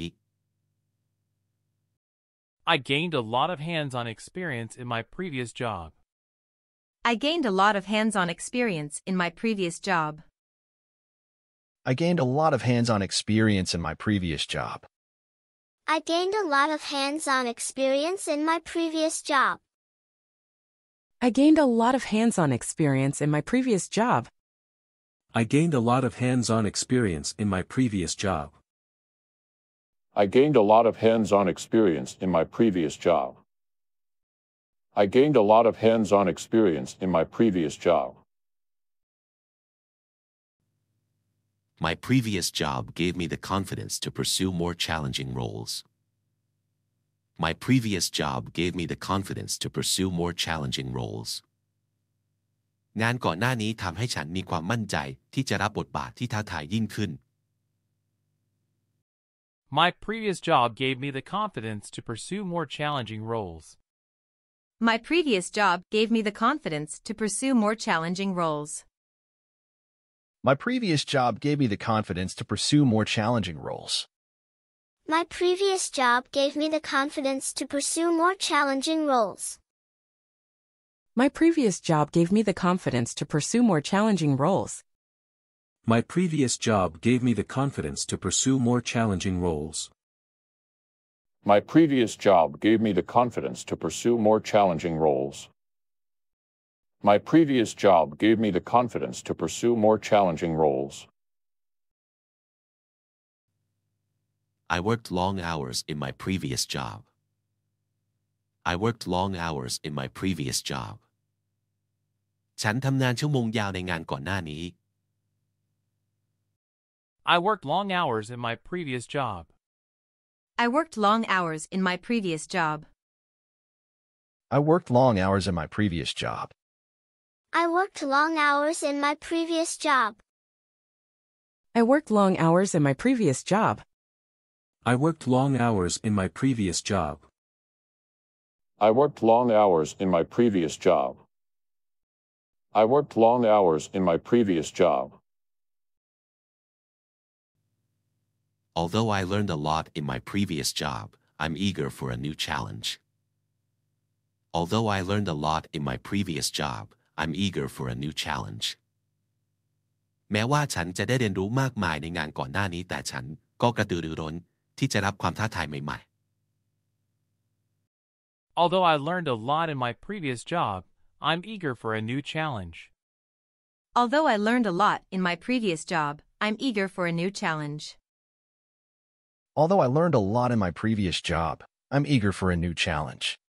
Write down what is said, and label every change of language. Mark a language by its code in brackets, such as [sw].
[en] I gained a lot of hands-on experience in my previous job. I gained a lot of hands-on experience in my previous job. I gained a lot of hands-on experience in my previous job. I gained a lot of hands-on experience in my previous job. I gained a lot of hands-on experience in my previous job. I gained a lot of hands-on experience in my previous job. I gained a lot of hands-on experience in my previous job. I gained a lot of hands-on experience in my previous job. My previous job gave me the confidence to pursue more challenging roles. My previous job gave me the confidence to pursue more challenging roles. [th] งานก่อนหน้านี้ทำให้ฉันมีความมั่นใจที่จะรับบทบาทที่ท้าทายยิ่งขึ้น [en] My previous job gave me the confidence to pursue more challenging roles. My previous job gave me the confidence to pursue more challenging roles. My previous job gave me the confidence to pursue more challenging roles. My previous job gave me the confidence to pursue more challenging roles. My previous job gave me the confidence to pursue more challenging roles. My previous job gave me the confidence to pursue more challenging roles. My previous job gave me the confidence to pursue more challenging roles. My previous job gave me the confidence to pursue more challenging roles. I worked long hours in my previous job. I worked long hours in my previous job. [th] ฉันทำงานชั่วโมงยาวในงานก่อนหน้านี้ [en] I worked long hours in my previous job. I worked long hours in my previous job. I worked long hours in my previous job. I worked long hours in my previous job. I worked long hours in my previous job. I worked long hours in my previous job. I worked long hours in my previous job. I worked long hours in my previous job. Although I learned a lot in my previous job, I'm eager for a new challenge. Although I learned a lot in my previous job, I'm eager for a new challenge. [th] แม้ว่าฉันจะได้เรียนรู้มากมายในงานก่อนหน้านี้แต่ฉันก็กระตือรือร้นที่จะรับความท้าทายใหม่ๆ [en] Although I learned a lot in my previous job, I'm eager for a new challenge. Although I learned a lot in my previous job, I'm eager for a new challenge. Although I learned a lot in my previous job, I'm eager for a new challenge.